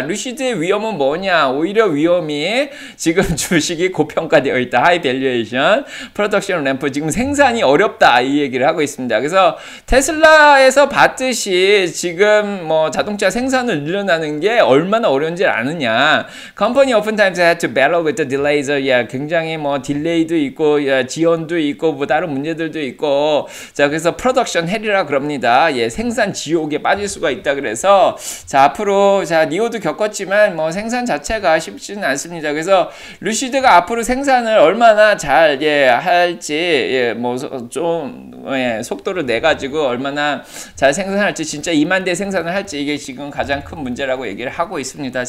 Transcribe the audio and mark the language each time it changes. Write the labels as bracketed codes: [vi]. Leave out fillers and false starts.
[ko] 루시드의 위험은 뭐냐? 오히려 위험이 지금 주식이 고평가되어 있다. 하이 밸류에이션, 프로덕션 램프, 지금 생산이 어렵다. 이 얘기를 하고 있습니다. 그래서 테슬라에서 봤듯이 지금 뭐 자동차 생산을 늘려나는 게 얼마나 어려운지 아느냐. [en] Company oftentimes had to battle with the delays. [ko] Yeah, 굉장히 뭐 딜레이도 있고 yeah, 지연도 있고 뭐 다른 문제들도 있고. 자, 그래서 프로덕션 헬이라 그럽니다. 예, 생산 지옥에 빠질 수가 있다. 그래서 자, 앞으로 자, 니오도 겪었지만 뭐 생산 자체가 쉽지는 않습니다. 그래서 루시드가 앞으로 생산을 얼마나 잘, 예, 할지, 예, 뭐, 좀, 예, 속도를 내가지고 얼마나 잘 생산할지, 진짜 2만 대 생산을 할지, 이게 지금 가장 큰 문제라고 얘기를 하고 있습니다.